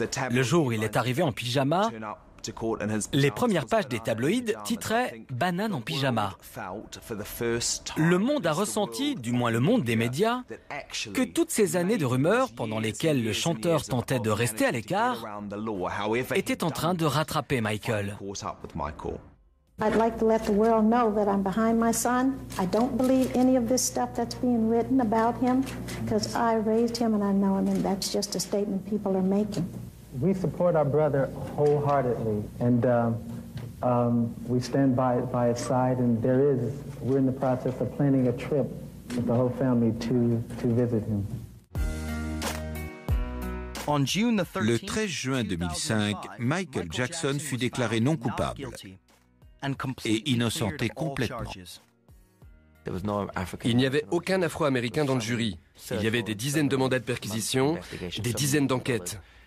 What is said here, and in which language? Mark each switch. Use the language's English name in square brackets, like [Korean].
[French] Le jour où il est arrivé en pyjama, les premières pages des tabloïds titraient « Banane en pyjama ». Le monde a ressenti, du moins le monde des médias, que toutes ces années de rumeurs pendant lesquelles le chanteur tentait de rester à l'écart étaient en train de rattraper Michael. [English] I'd like to let the world know that I'm behind my son. I don't believe any of this stuff that's being written about him, because I raised him and I know him, and that's just a statement people are making. We support our brother wholeheartedly, and we stand by his side, and we're in the process of planning a trip with the whole family to visit him. [French] Le 13 juin 2005, Michael Jackson fut déclaré non coupable. et innocenté complètement. Il n'y avait aucun Afro-Américain dans le jury. Il y avait des dizaines de mandats de perquisition, des dizaines d'enquêtes.